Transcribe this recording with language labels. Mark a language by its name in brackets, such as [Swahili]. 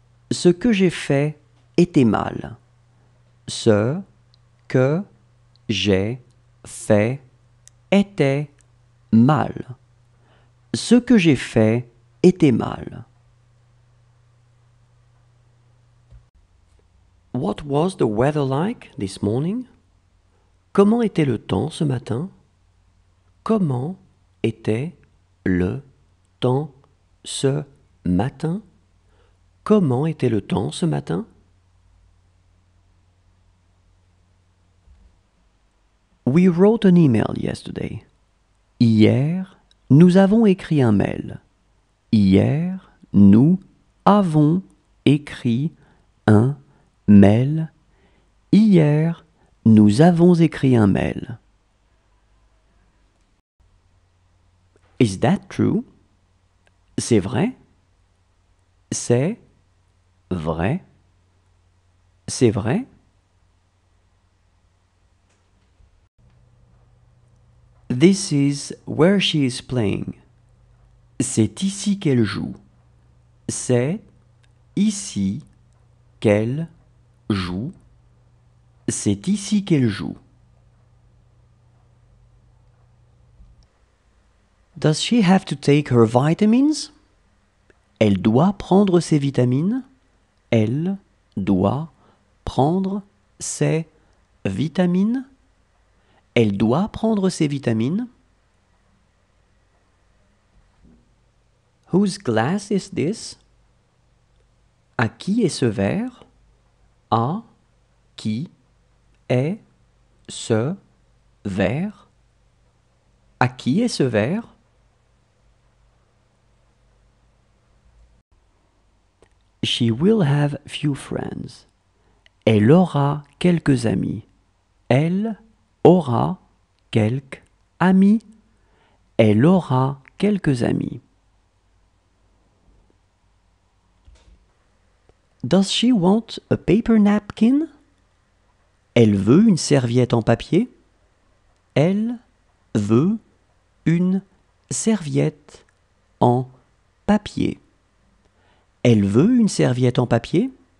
[French] Ce que j'ai fait était mal. Ce que j'ai fait était mal. Ce que j'ai fait était mal. [English] What was the weather like this morning? [French] Comment était le temps ce matin? Comment était le temps ce matin? Comment était le temps ce matin? [English] We wrote an email yesterday. [French] Hier, nous avons écrit un mail. Hier, nous avons écrit un mail. Hier, nous avons écrit un mail. [English] Is that true? [French] C'est vrai? C'est vrai? C'est vrai? [English] This is where she is playing. [French] C'est ici qu'elle joue. C'est ici qu'elle joue. C'est ici qu'elle joue. [English] Does she have to take her vitamins? [French] Elle doit prendre ses vitamines. Elle doit prendre ses vitamines. Elle doit prendre ses vitamines. [English] Whose glass is this? [French] À qui est ce verre? À qui est ce verre? À qui est ce verre? [English] She will have few friends. [French] Elle aura quelques amis. Elle aura quelques amis. Elle aura quelques amis. [English] Does she want a paper napkin? [French] Elle veut une serviette en papier. Elle veut une serviette en papier. Elle veut une serviette en papier.